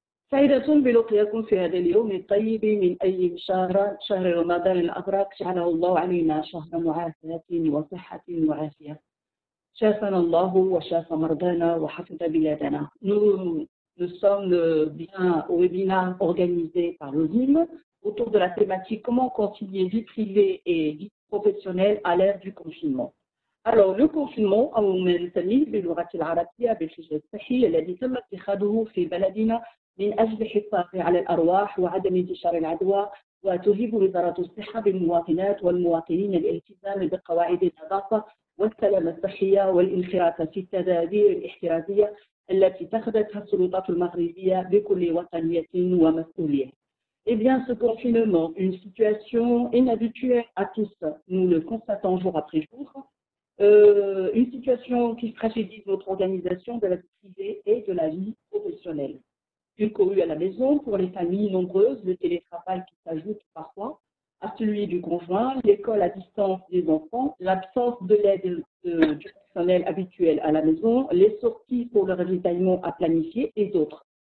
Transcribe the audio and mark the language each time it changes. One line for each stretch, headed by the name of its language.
Arabic: سعيدة بلقياكم في هذا اليوم الطيب من أي شهر، شهر رمضان الأبرك، جعله الله علينا شهر معافاة وصحة وعافية، شافنا الله وشاف مرضانا وحفظ بلادنا.
French: Nous sommes bien au webinaire organisé par l'ODIM autour de la thématique « Comment concilier vie privée et vie professionnelle à l'ère du confinement ?» Alors, le confinement,
Arabic: « Aoumen Tami » بلغة العربية بالفجر الصحي الذي تم اتخاذه في بلدنا من أجل حفاظ على الأرواح وعدم انتشار العدوى، وتهيب وزارة الصحة بالمواطنات والمواطنين الالتزام بقواعد النظافة والسلامة الصحية والانخراط في التدابير الاحترازية التي اتخذتها السلطات المغربية بكل وطنية ومسؤولية.
French: Eh bien, ce confinement, une situation inhabituelle à tous, nous le constatons jour après jour, une situation qui fragilise notre organisation de la vie privée et de la vie professionnelle. Une cohue à la maison pour les familles nombreuses, le télétravail qui s'ajoute parfois à celui du conjoint, l'école à distance des enfants, l'absence de l'aide du personnel habituel à la maison, les sorties pour le ravitaillement à planifier et d'autres.